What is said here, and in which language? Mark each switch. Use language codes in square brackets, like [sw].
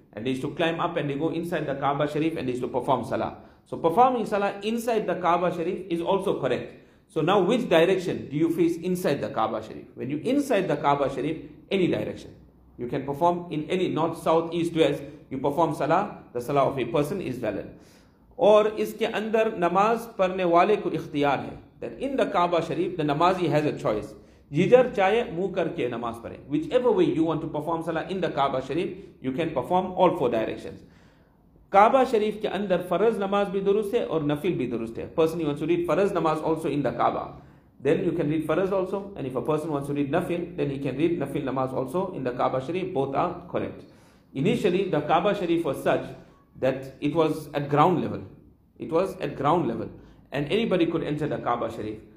[en] And they used to climb up and they go inside the Kaaba Sharif and they used to perform salah. So performing salah inside the Kaaba Sharif is also correct. So now which direction do you face inside the Kaaba Sharif? When you're inside the Kaaba Sharif, any direction. You can perform in any north, south, east, west. You perform salah, the salah of a person is valid. [ur] اور اس کے اندر نماز پڑھنے والے کو اختیار ہے. [en] That in the Kaaba Sharif, the namazi has a choice. [ur] جدھر چاہے منہ کر کے نماز پڑھے. [en] Whichever way you want to perform salah in the Kaaba Sharif, you can perform all four directions. [ur] Kaaba Sharif کے اندر فرض نماز بھی درست ہے اور نفل بھی درست ہے. [en] Person who wants to read فرض نماز also in the Kaaba. Then you can read فرض also. And if a person wants to read نفل, then he can read نفل نماز also in the Kaaba Sharif. Both are correct. Initially, the Kaaba Sharif was such that it was at ground level. It was at ground level. And anybody could enter the Kaaba Sharif.